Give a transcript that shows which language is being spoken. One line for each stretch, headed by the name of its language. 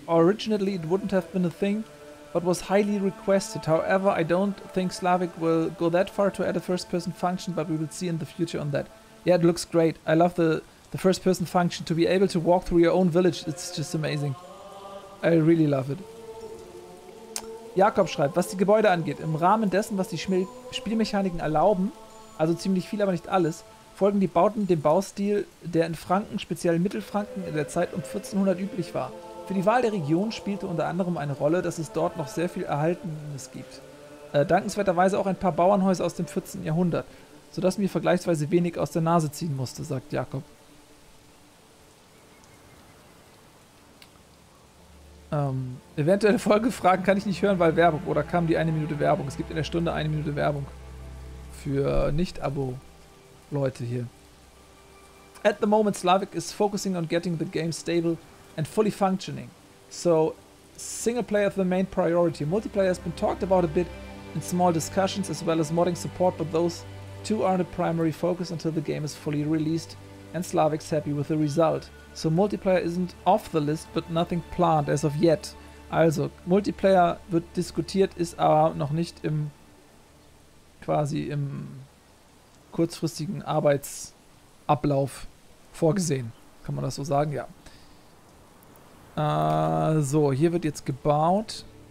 English: Originally it wouldn't have been a thing, but was highly requested. However, I don't think Slavic will go that far to add a first person function, but we will see in the future on that. Yeah, it looks great. I love the first-person function. To be able to walk through your own village, it's just amazing. I really love it.
German: Jakob schreibt, was die Gebäude angeht, im Rahmen dessen, was die Spielmechaniken erlauben, also ziemlich viel, aber nicht alles, folgen die Bauten dem Baustil, der in Franken, speziell in Mittelfranken, in der Zeit um 1400 üblich war. Für die Wahl der Region spielte unter anderem eine Rolle, dass es dort noch sehr viel Erhaltenes gibt. Dankenswerterweise auch ein paar Bauernhäuser aus dem 14. Jahrhundert. Sodass mir vergleichsweise wenig aus der Nase ziehen musste, sagt Jakob. Eventuelle Folgefragen kann ich nicht hören, weil Werbung. Oder kam die eine Minute Werbung? Es gibt in der Stunde eine Minute Werbung. Für Nicht-Abo-Leute hier.
English: At the moment, Slavic is focusing on getting the game stable and fully functioning. So, single-player is the main priority. Multiplayer has been talked about a bit in small discussions as well as modding support, but those... Two aren't a primary focus until the game is fully released and Slavic's happy with the result. So Multiplayer isn't off the list, but nothing planned as of yet.
German: Also, Multiplayer wird diskutiert, ist aber noch nicht im quasi im kurzfristigen Arbeitsablauf vorgesehen. Kann man das so sagen? Ja. So, hier wird jetzt gebaut.